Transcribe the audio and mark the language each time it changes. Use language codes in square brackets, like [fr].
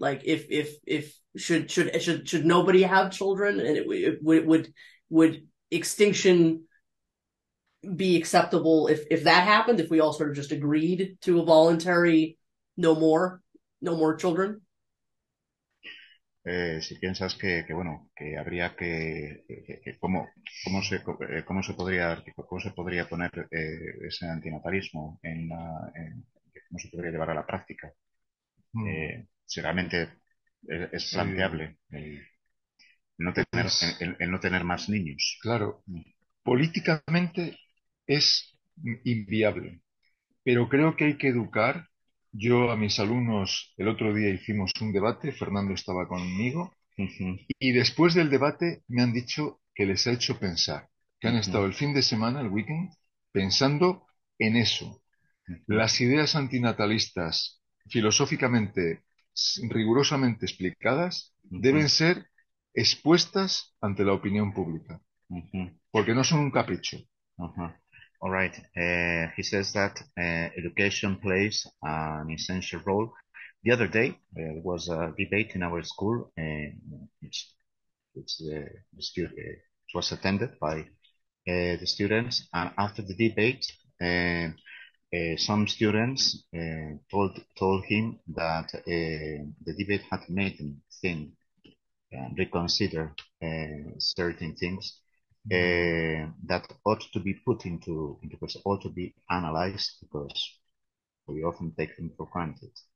[en] Like, should nobody have children, and would extinction be acceptable if that happened, if we all sort of just agreed to a voluntary no more children? [es] Si piensas que bueno, que habría que cómo se podría poner ese antinatalismo cómo se podría llevar a la práctica. Si realmente es planteable el no tener más niños. Claro, políticamente es inviable, pero creo que hay que educar. Yo a mis alumnos, el otro día hicimos un debate, Fernando estaba conmigo, y después del debate me han dicho que les ha hecho pensar, que han estado el fin de semana, el weekend, pensando en eso, Las ideas antinatalistas, filosóficamente, rigurosamente explicadas, deben ser expuestas ante la opinión pública, porque no son un capricho. [en] All right. He says that education plays an essential role. The other day, there was a debate in our school, it was attended by the students, and after the debate, some students told him that the debate had made him think and reconsider certain things that ought to be put into question, ought to be analyzed, because we often take them for granted.